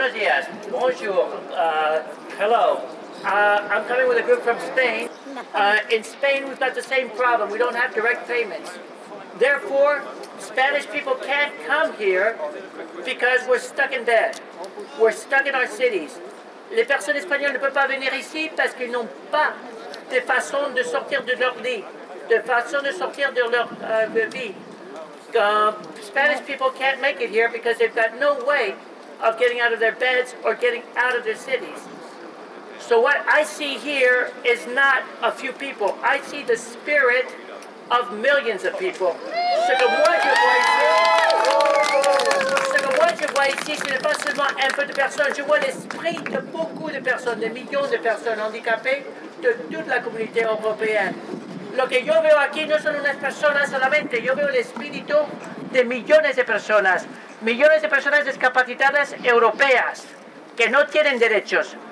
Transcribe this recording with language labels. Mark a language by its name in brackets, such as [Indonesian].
[English] Hello. I'm coming with a group from Spain. In Spain, we've got the same problem. We don't have direct payments. Therefore, Spanish people can't come here because we're stuck in debt. We're stuck in our cities. [French] Les personnes espagnoles ne peuvent pas venir ici parce qu'ils n'ont pas de façon de sortir de leur lit, de façon de sortir de leur vie. [English] Spanish people can't make it here because they've got no way of getting out of their beds or getting out of their cities. So what I see here is not a few people. I see the spirit of millions of people. [French] Ce que moi je vois ici, ce n'est pas seulement un peu de personnes. Je vois l'esprit de beaucoup de personnes, de millions de personnes handicapées de toute la communauté européenne. [Spanish] Lo que yo veo aquí no son unas personas solamente. Yo veo el espíritu de millones de personas. Millones de personas discapacitadas europeas que no tienen derechos.